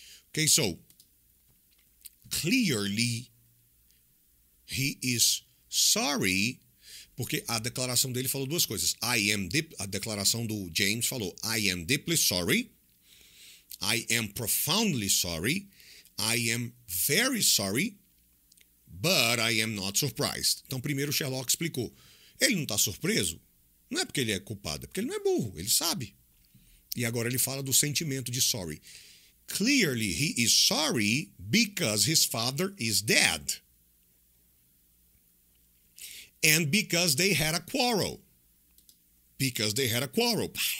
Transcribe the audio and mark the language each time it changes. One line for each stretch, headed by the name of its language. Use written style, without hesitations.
English: Okay, so clearly he is sorry,
Portuguese: porque a declaração dele falou duas coisas.
English: I am deep,
Portuguese: a declaração do James falou,
English: I am deeply sorry. I am profoundly sorry. I am very sorry, but I am not surprised.
Portuguese: Então, primeiro, Sherlock explicou. Ele não está surpreso? Não é porque ele é culpado, é porque ele não é burro, ele sabe. E agora ele fala do sentimento de sorry.
English: Clearly, he is sorry because his father is dead. And because they had a quarrel. Because they had a quarrel.